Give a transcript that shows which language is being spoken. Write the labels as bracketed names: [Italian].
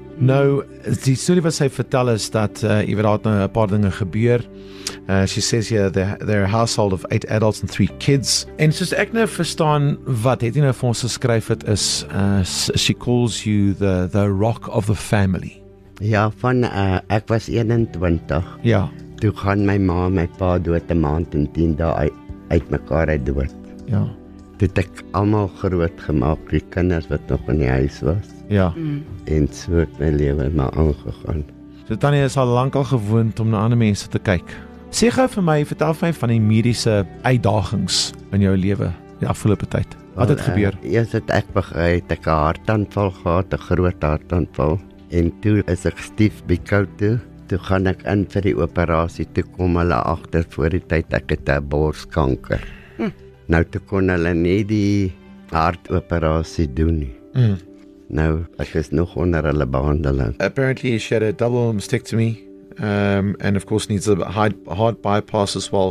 [Afrikaans] Nou, die story wat sy vertel is dat jy weet, daar het nou 'n paar dinge gebeur. [English] She says here they're a household of 8 adults and 3 kids. [Afrikaans] En soos ek nou verstaan wat het jy nou vir ons geskryf het is [English] she calls you the rock of the family. [Afrikaans] Ja, van ek was 21. Ja. Toe gaan my ma en my pa dood 'n maand en 10 dae uit mekaar uit dood. Ja. Toe het ek almal groot gemaak, die kinders wat nog in die huis was. Ja. En so het my lewe maar aangegaan. So Tannie is al lank al gewoond om na ander mense te kyk. Sê gou vir my, vertel vir my van die mediese uitdagings in jou lewe die afgelope tyd. Wat het gebeur? Eers het ek begin ek 'n hartaanval gehad, 'n groot hartaanval. En toe is ek stief bykou toe. Toe gaan ek in vir die operasie, toe kom hulle agter voor die tyd, ek het 'n borskanker. Nou toe kon hulle nie die hartoperasie doen nie. Nou, ek is nog onder hulle behandeling. [English] Apparently she had a double mastectomy. And of course needs a heart bypass as well.